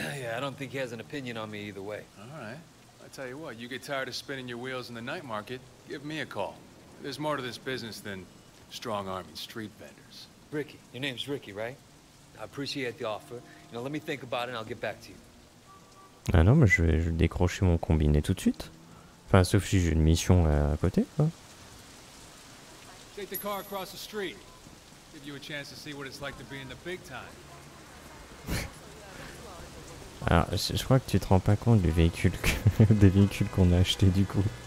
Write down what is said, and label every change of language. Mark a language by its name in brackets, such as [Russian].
[English] Yeah, I don't think he has an opinion on me either way. All right. I tell you what, you get tired of spinning your wheels in the night market, give me a call. There's more to this business than strong-arming street vendors. Ricky, your name's Ricky, right? I appreciate the offer. You know, let me think about it and I'll get back to you. [French] Ah non, mais je vais décrocher mon combiné tout de suite. Enfin, sauf si j'ai une mission à côté, quoi. [English] Take the car across the street. Give you a chance to see what it's like to be in the big time. [French] Alors, je crois que tu te rends pas compte du véhicule que, des véhicules qu'on a acheté du coup.